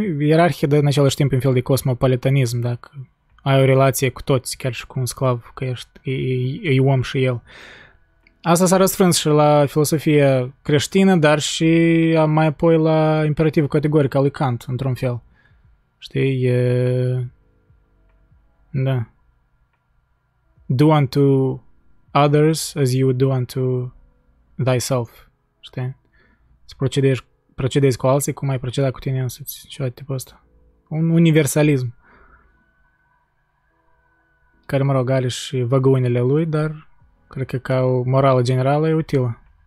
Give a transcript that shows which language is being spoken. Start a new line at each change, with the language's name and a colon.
Romanian: Ierarhie, dar în același timp, un fel de cosmopolitanism, dacă ai o relație cu toți, chiar și cu un sclav, că ești e om și el. Asta s-a răsfrâns și la filosofia creștină, dar și mai apoi la imperativul categoric al lui Kant, într-un fel. Știi? Da.
English: Do unto others as you do unto thyself.
Romanian: Știi? Să procedezi cu alții cum ai proceda cu tine însuți. Ceva tipul ăsta. Un universalism. Care, mă rog, are și văgâunile lui, dar cred că ca o morală generală e utilă.